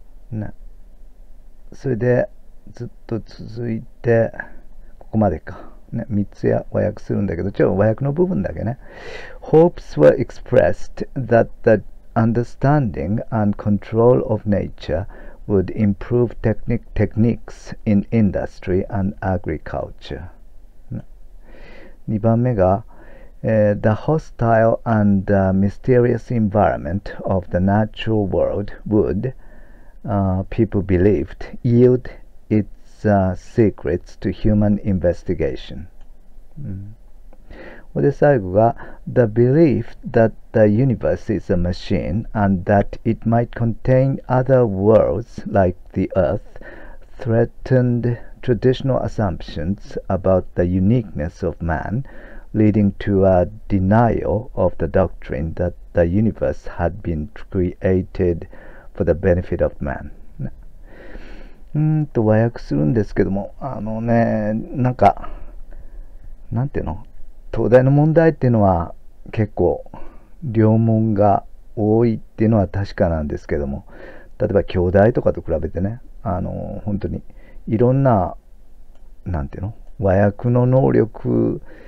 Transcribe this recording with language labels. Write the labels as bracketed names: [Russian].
[Japanese] な、それでずっと続いてここまでか。ね、3つや和訳するんだけど、ちょっと和訳の部分だけね。 [English] Hopes were expressed that the understanding and control of nature would improve techniques in industry and agriculture. [Japanese] 2番目が、 [English] The hostile and mysterious environment of the natural world would, people believed, yield its secrets to human investigation. [Japanese] で、最後が、 [English] The belief that the universe is a machine and that it might contain other worlds like the Earth threatened traditional assumptions about the uniqueness of man, leading to a denial of the doctrine that the universe had been created for the benefit of man. [Japanese] 和訳するんですけども、なんていうの？東大の問題っていうのは結構良問が多いっていうのは確かなんですけども、例えば京大とかと比べてね、本当にいろんな、なんていうの、和訳の能力